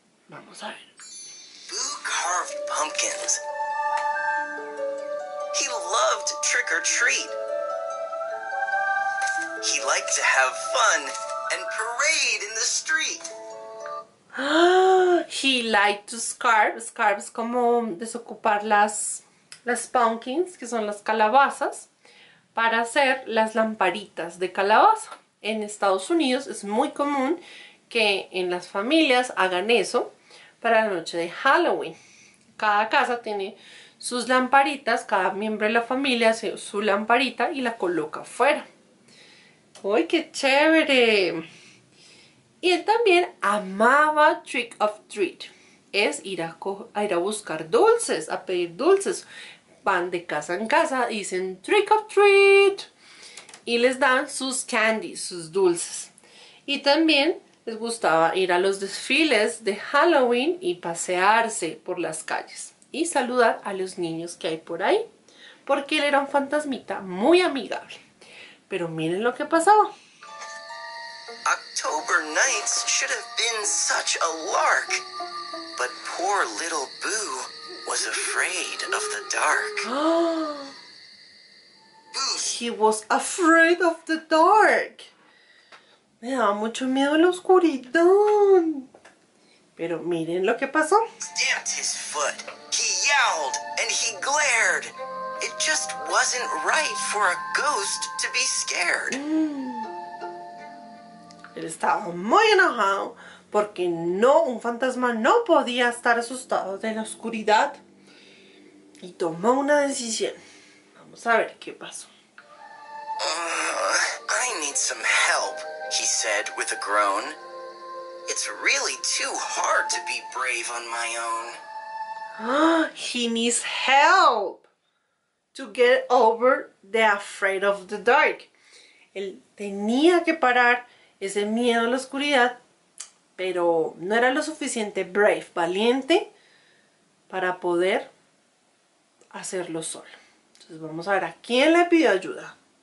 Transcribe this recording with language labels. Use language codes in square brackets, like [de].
[es] Vamos a ver. [en] Boo carved pumpkins. He loved trick-or-treat. He liked to have fun and parade in the street. He liked to scarf. [es] Scarf es como desocupar las pumpkins, que son las calabazas, para hacer las lamparitas de calabaza. En Estados Unidos es muy común que en las familias hagan eso para la noche de Halloween. Cada casa tiene sus lamparitas, cada miembro de la familia hace su lamparita y la coloca afuera. ¡Uy, qué chévere! Y él también amaba trick or treat. Es ir a buscar dulces, a pedir dulces. Van de casa en casa, dicen trick or treat. Y les dan sus candies, sus dulces. Y también les gustaba ir a los desfiles de Halloween y pasearse por las calles. Y saludar a los niños que hay por ahí, porque él era un fantasmita muy amigable. Pero miren lo que pasó. [en] October nights should have been such a lark, but poor little Boo was afraid of the dark. He was afraid of the dark. [es] Me daba mucho miedo la oscuridad. Pero miren lo que pasó. [en] Stamped his foot. And he glared. It just wasn't right for a ghost to be scared. [es] Él estaba muy enojado porque no, un fantasma no podía estar asustado de la oscuridad. Y tomó una decisión. Vamos a ver qué pasó. [en] I need some help, he said with a groan. It's really too hard to be brave on my own. He needs help to get over the afraid of the dark. [es] Él tenía que parar ese miedo a la oscuridad, pero no era lo suficiente brave, valiente, para poder hacerlo solo. Entonces vamos a ver a quién le pidió ayuda.